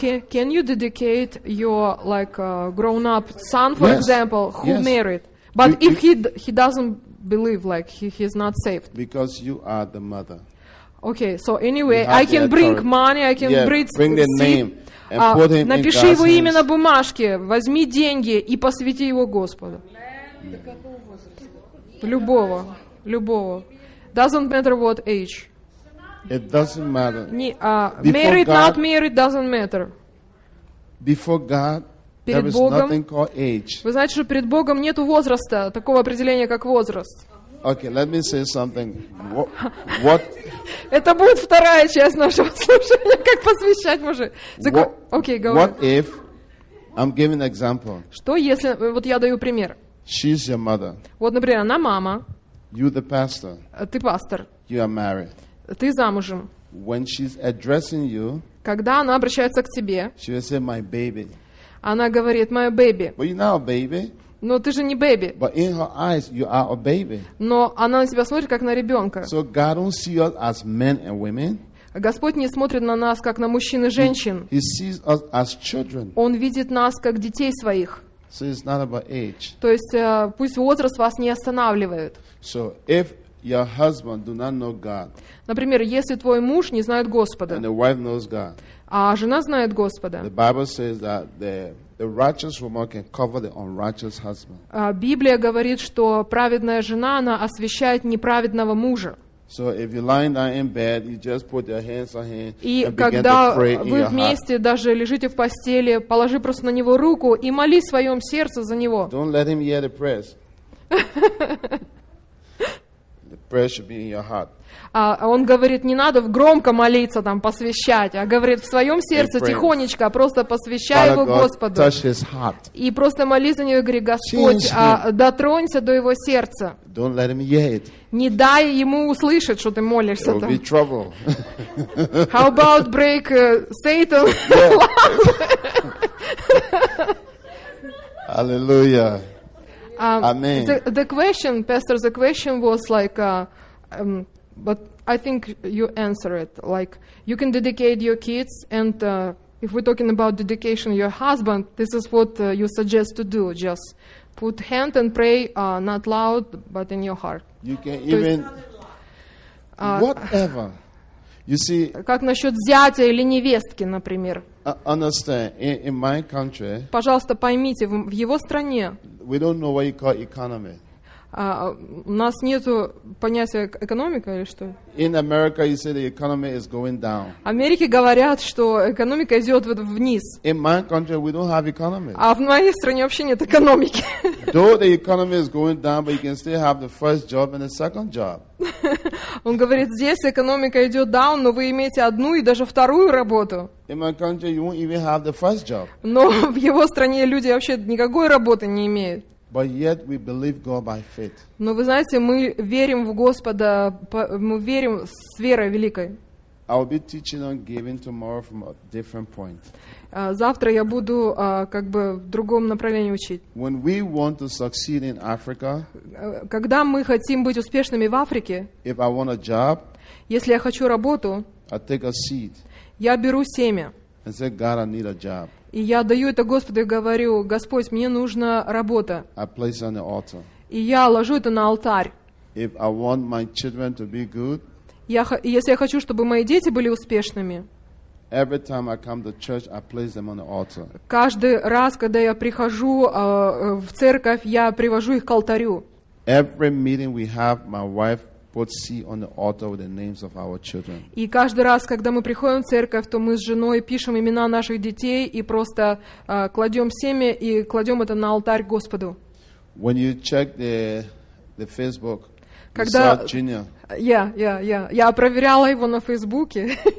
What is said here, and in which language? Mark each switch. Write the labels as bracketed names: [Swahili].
[English] Can you dedicate your grown-up son, for example, who married? But if he doesn't believe, he's not saved. Because you are the mother. Okay, so anyway, I can bring money, I can bring the name and put him in God's [Russian] Напиши его имя на бумажке, возьми деньги и посвяти его Господу. Любого, любого. [English] Doesn't matter what age. It doesn't matter. Married, God, not married, doesn't matter. Before God, [Russian] перед [English] there [Russian] Богом, [English] is nothing called age. [Russian] Вы знаете, что перед Богом нету возраста, такого определения, как возраст. [English] Okay, let me say something. What? [Russian] Это будет вторая часть нашего слушания, как посвящать мужей. [English] Okay, go. What if I'm giving an example? [Russian] Что если, вот я даю пример. [English] She's your mother. [Russian] Вот, например, она мама. [English] You the pastor. [Russian] Ты пастор. [English] You are married. [Russian] Ты замужем. [English] When she's addressing you, [Russian] когда она обращается к тебе, [English] she will say, my baby. [Russian] Она говорит, [English] my baby. But you're not a baby. [Russian] Но ты же не baby. [English] But in her eyes, you are a baby. [Russian] Но она на тебя смотрит, как на ребенка. [English] So God don't see us as men and women. [Russian] Господь не смотрит на нас, как на мужчин и женщин. [English] He sees us as children. [Russian] Он видит нас, как детей своих. [English] So it's not about age. [Russian] То есть пусть возраст вас не останавливает. [English] So if your husband do not know God. [Russian] Например, если твой муж не знает Господа, [English] and the wife knows God, [Russian] а жена знает Господа, [English] the Bible says that the righteous woman can cover the unrighteous husband. [Russian] Библия говорит, что праведная жена, она освящает неправедного мужа. [English] So if you're lying down in bed, you just put your hands on him and begin to pray. [Russian] И когда вы вместе даже лежите в постели, положи просто на него руку и молись в своем сердце за него. [English] Don't let him hear the prayers. Prayer should be in your heart. [Russian] Он говорит, не надо громко молиться, там, посвящать, а говорит, в своем сердце тихонечко, просто посвящай [English] Father [Russian] его [English] God [Russian] Господу. [English] Touch his heart. [Russian] И просто молись за него, говорит, Господь, дотронься до его сердца. [English] Don't let him hear it. [Russian] Не дай ему услышать, что ты молишься. [English] It will be trouble. How about break Satan? Hallelujah. The question was but I think you answer it. Like, you can dedicate your kids, and if we're talking about dedication, your husband, this is what you suggest to do. Just put hand and pray, not loud, but in your heart. You can even, whatever. You see, [Russian] как насчет зятя или невестки, например? [English] Understand, in my country, [Russian] пожалуйста, поймите, в его стране [English] we don't know what you call economy. [Russian] У нас нету понятия экономика или что? [English] In America, you say the economy is going down. [Russian] В Америке говорят, что экономика идет вниз. [English] In my country, we don't have economy. [Russian] А в моей стране вообще нет экономики. [English] Though the economy is going down, but you can still have the first job and the second job. [Russian] Он говорит, здесь экономика идет down, но вы имеете одну и даже вторую работу. [English] In my country, you won't even have the first job. [Russian] Но в его стране люди вообще никакой работы не имеют. [English] But yet we believe God by faith. [Russian] Но вы знаете, мы верим в Господа, мы верим с верой великой. [English] I'll be teaching on giving tomorrow from a different point. [Russian] Завтра я буду как бы в другом направлении учить. [English] When we want to succeed in Africa, [Russian] когда мы хотим быть успешными в Африке, [English] if I want a job, [Russian] если я хочу работу, [English] I take a seed, [Russian] я беру семя. [English] And say, God, I need a job. [Russian] И я даю это Господу и говорю, Господь, мне нужна работа. [English] I place on the altar. [Russian] И я ложу это на алтарь. [English] If I want my children to be good, [Russian] если я хочу, чтобы мои дети были успешными, [English] every time I come to church, I place them on the altar. [Russian] Каждый раз, когда я прихожу в церковь, я привожу их к алтарю. [English] Every meeting we have, my wife put seed on the altar with the names of our children. [Russian] И каждый раз, когда мы приходим в церковь, то мы с женой пишем имена наших детей и просто кладем семя и кладем это на алтарь Господу. [English] When you check the Facebook, [Russian] когда, [English] you saw Junior. [Russian] Я проверяла его на Фейсбуке.